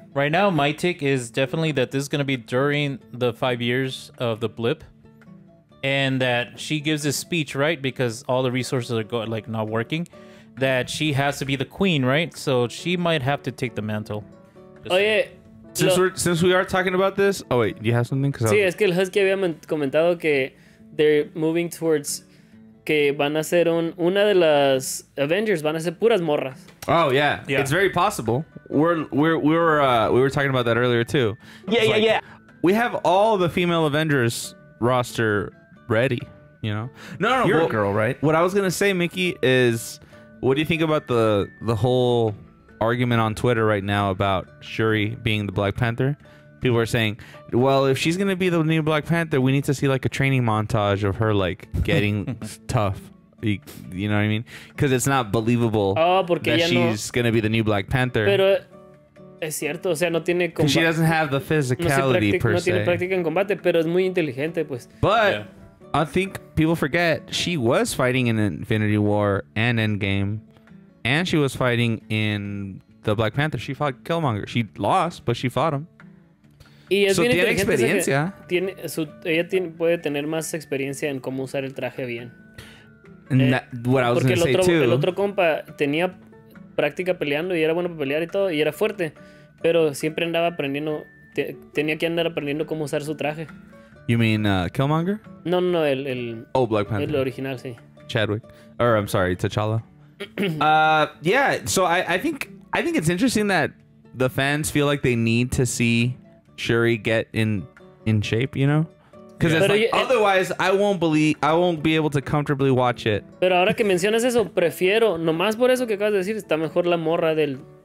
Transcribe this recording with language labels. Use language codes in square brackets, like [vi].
[en] Right now, my take is definitely that this is going to be during the 5 years of the blip. And that she gives a speech, right? Because all the resources are not working. That she has to be the queen, right? So she might have to take the mantle. Since we are talking about this, oh wait, do you have something? [es] Sí, es que el Husky había comentado que [en] they're moving towards [es] que van a ser una de las Avengers van a ser puras morras. [en] Oh yeah, yeah. It's very possible. We were talking about that earlier too. Yeah, yeah, yeah. We have all the female Avengers roster ready. You know, no, you're a girl, right? What I was gonna say, Mickey, is what do you think about the whole argument on Twitter right now about Shuri being the Black Panther? People are saying, well, if she's gonna be the new Black Panther, we need to see like a training montage of her like getting tough. You know what I mean? Because it's not believable that she's gonna be the new Black Panther. [es] Pero es cierto, o sea, no tiene [en] combate. She doesn't have the physicality per se. [es] No tiene práctica en combate, pero es muy inteligente, pues. [en] But yeah. I think people forget she was fighting in Infinity War and Endgame. And she was fighting in the Black Panther. She fought Killmonger. She lost, but she fought him. [es] Y es [en] so [es] bien tiene experiencia. Puede tener más experiencia en cómo usar el traje bien. [en] What I was going to say, too. [es] El otro compa tenía práctica peleando y era bueno para pelear y todo. Y era fuerte. Pero siempre andaba aprendiendo. Tenía que andar aprendiendo cómo usar su traje. [en] You mean Killmonger? [es] No, el... [en] Oh, Black Panther. [es] El original, sí. [en] Chadwick. Or, I'm sorry, T'Challa. yeah, so I think it's interesting that the fans feel like they need to see Shuri get in shape, you know? Because yeah. Like, otherwise, I won't be able to comfortably watch it. [es] Pero ahora que mencionas eso, prefiero, nomás por eso que acabas de decir, está mejor la morra del